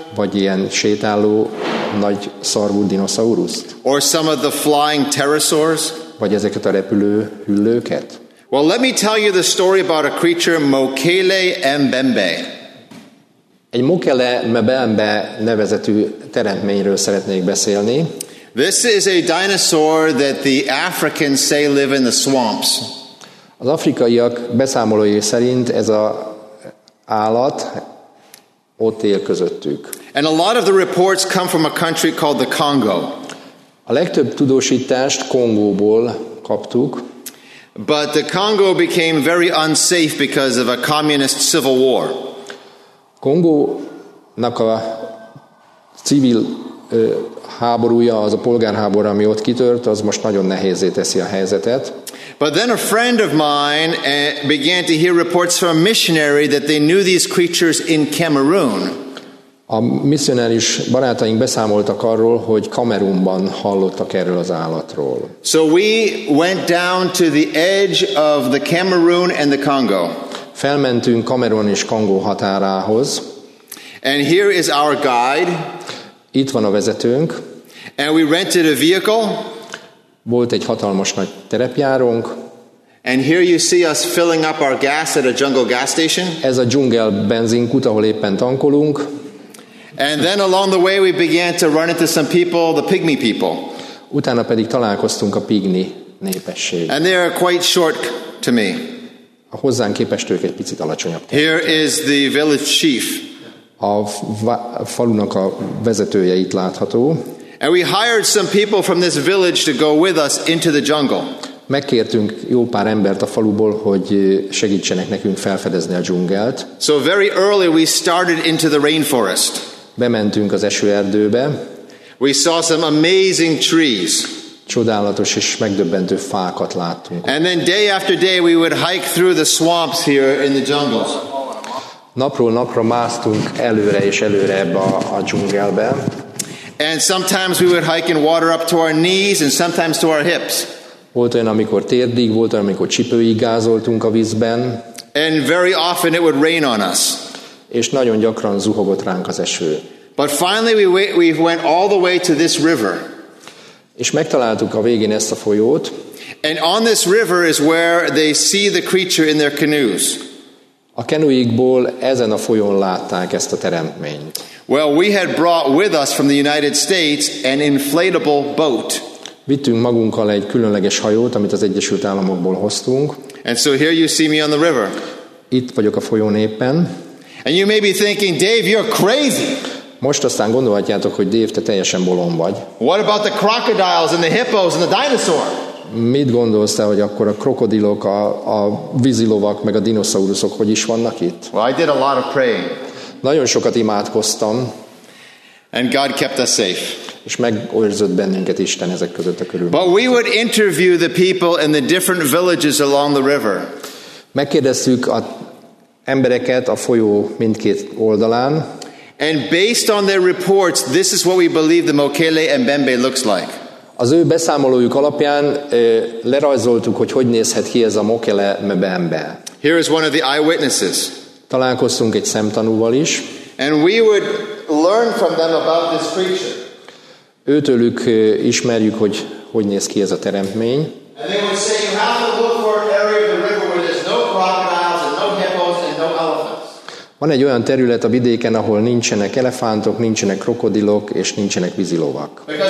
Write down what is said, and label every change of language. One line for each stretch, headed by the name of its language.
Hungarian: Vagy ilyen sétáló nagy szarvú dinoszauruszt?
English: Or some of the flying pterosaurs?
Hungarian: Vagy ezeket a repülő hüllőket?
English: Well, let me tell you the story about a creature Mokele Mbembe.
Hungarian: Egy Mokele Mbembe nevezetű teremtményről szeretnék beszélni.
English: This is a dinosaur that the Africans say live in the swamps.
Hungarian: Az afrikaiak beszámolói szerint ez az állat ott él közöttük.
English: And a lot of the reports come from a country called the Congo.
Hungarian: A legtöbb tudósítást Kongóból kaptuk.
English: But the Congo became very unsafe because of a communist civil war.
Hungarian: Kongónak a civil háborúja, az a polgárháború, ami ott kitört, az most nagyon nehézé teszi a helyzetet.
English: But then a friend of mine began to hear reports from a missionary that they knew these creatures in Cameroon.
Hungarian: A misszionáris barátaink beszámoltak arról, hogy Kamerunban hallottak erről az állatról.
English: So we went down to the edge of the Cameroon and the Congo.
Hungarian: Felmentünk Kamerun és Kongó határához.
English: And here is our guide.
Hungarian: Itt van a vezetőnk.
English: And we rented a vehicle.
Hungarian: Volt egy hatalmas nagy terepjárónk.
English: And here you see us filling up our gas at a jungle gas station.
Hungarian: Ez a dzsungel benzinkút, ahol éppen tankolunk.
English: And then along the way we began to run into some people, the pygmy people.
Hungarian: Utána pedig találkoztunk a pygmy népességgel.
English: And they are quite short to me.
Hungarian: A hozzánk képest ők egy picit alacsonyabb.
English: Here is the village chief.
Hungarian: A falunak a vezetője itt látható.
English: And we hired some people from this village to go with us into the jungle.
Hungarian: Megkértünk jó pár embert a faluból, hogy segítsenek nekünk felfedezni a dzsungelt.
English: So very early we started into the rainforest.
Hungarian: Bementünk az esőerdőbe.
English: We saw some amazing trees.
Hungarian: Csodálatos és megdöbbentő fákat láttunk.
English: And then day after day we would hike through the swamps here in the jungles.
Hungarian: Napról napra másztunk előre és előre ebbe a dzsungelbe.
English: And sometimes we would hike in water up to our knees and sometimes to our hips.
Hungarian: Volt olyan, amikor térdig, volt olyan, amikor csipőig gázoltunk a vízben.
English: And very often it would rain on us.
Hungarian: És nagyon gyakran zuhogott ránk az eső.
English: But finally we went all the way to this river.
Hungarian: És megtaláltuk a végén ezt a folyót.
English: And on this river is where they see the creature in their canoes.
Hungarian: A kenuikból ezen a folyón látták ezt a teremtményt.
English: Well, we had brought with us from the United States an inflatable boat.
Hungarian: Vittünk magunkkal egy különleges hajót, amit az Egyesült Államokból hoztunk.
English: And so here you see me on the river.
Hungarian: Itt vagyok a folyón éppen.
English: And you may be thinking, Dave, you're crazy.
Hungarian: Most aztán gondolhatjátok, hogy Dave, te teljesen bolond vagy.
English: What about the crocodiles and the hippos and the dinosaur?
Hungarian: Mit gondolsz te, hogy akkor a krokodilok, a vízilovak, meg a dinoszauruszok hogy is vannak itt?
English: Well, I did a lot of praying.
Hungarian: Nagyon sokat imádkoztam.
English: And God kept us safe.
Hungarian: És megőrzött bennünket Isten ezek között a körülmények.
English: But we would interview the people in the different villages along the river.
Hungarian: Megkérdeztük a embereket a folyó mindkét oldalán.
English: And based on their reports, this is what we believe the Mokele and Mbembe looks like.
Hungarian: Az ő beszámolójuk alapján lerajzoltuk, hogy hogy nézhet ki ez a Mokele Mbembe.
English: Here is one of the eyewitnesses.
Hungarian: Találkoztunk egy szemtanúval is.
English: And we would learn from them about this creature.
Hungarian: Őtőlük ismerjük, hogy hogy néz ki ez a teremtmény.
English: And they would say, you have to look for an area of the river where there's no crocodiles and no hippos and no elephants.
Hungarian: Van egy olyan terület a vidéken, ahol nincsenek elefántok, nincsenek krokodilok és nincsenek vízilovak.